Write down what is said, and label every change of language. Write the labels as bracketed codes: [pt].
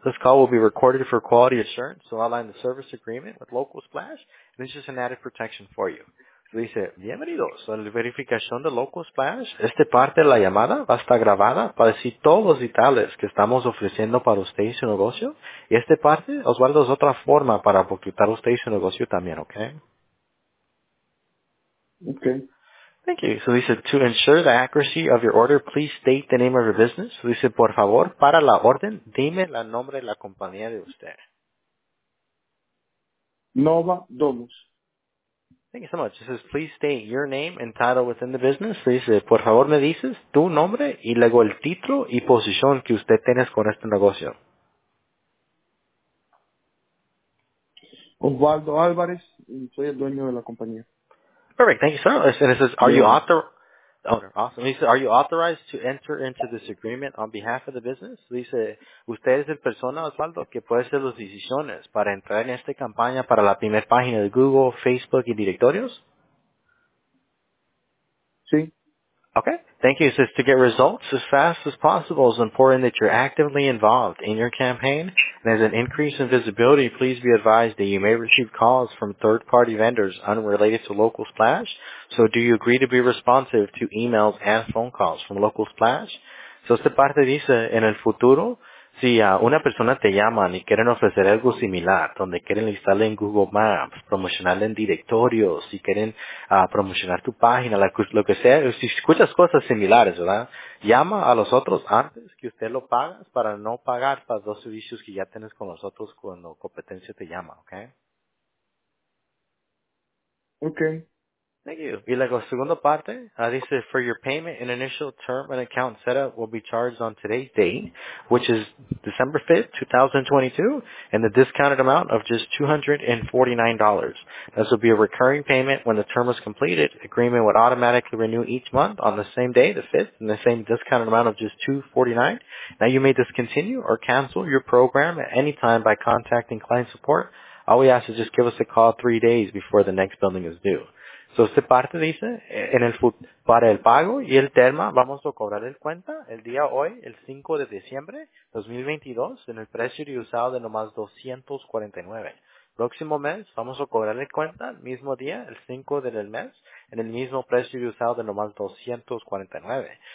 [en] This call will be recorded for quality assurance. So, outline the service agreement with Local Splash. And it's just an added protection for you. [es] Dice, bienvenidos a la verificación de Local Splash. Esta parte de la llamada va a estar grabada para decir todos los detalles que estamos ofreciendo para usted y su negocio. Y esta parte, Osvaldo, es otra forma para facturar usted y su negocio también, ¿ok? Ok. [en] Thank you. So dice, to ensure the accuracy of your order, please state the name of your business. [es] So dice, por favor, para la orden, dime el nombre de la compañía de usted. Nova Domus. [en] Thank you so much. It says, please state your name and title within the business. [es] Le dice, por favor, me dices tu nombre y luego el título y posición que usted tienes con este negocio. Osvaldo Álvarez, y soy el dueño de la compañía. [en] Perfect. Thank you, sir. And it says, are you awesome. Dice, are you authorized to enter into this agreement on behalf of the business? [es] Dice, usted es el persona, Osvaldo, que puede hacer las decisiones para entrar en esta campaña para la primera página de Google, Facebook y directorios? Sí. [en] Okay. Thank you. It says, to get results as fast as possible, it's important that you're actively involved in your campaign. And as an increase in visibility, please be advised that you may receive calls from third-party vendors unrelated to Local Splash. So do you agree to be responsive to emails and phone calls from Local Splash? [es] So esta parte dice, en el futuro, si una persona te llama y quieren ofrecer algo similar, donde quieren listarle en Google Maps, promocionarle en directorios, si quieren promocionar tu página, lo que sea, si escuchas cosas similares, ¿verdad? Llama a los otros antes que usted lo pagas para no pagar para los dos servicios que ya tienes con los otros cuando competencia te llama, ¿ok? Ok. [en] Thank you. [es] Y luego, segunda parte, dice, [en] for your payment, an initial term and account setup will be charged on today's date, which is December 5th, 2022, and the discounted amount of just $249. This will be a recurring payment when the term is completed. Agreement would automatically renew each month on the same day, the 5th, and the same discounted amount of just $249. Now, you may discontinue or cancel your program at any time by contacting client support. All we ask is just give us a call 3 days before the next billing is due. [es] So, esta parte dice, en el para el pago y el termo, vamos a cobrar el cuenta el día hoy, el 5 de diciembre 2022, en el precio de usado de nomás $249. Próximo mes, vamos a cobrar el cuenta el mismo día, el 5 del mes, en el mismo precio de usado de nomás $249.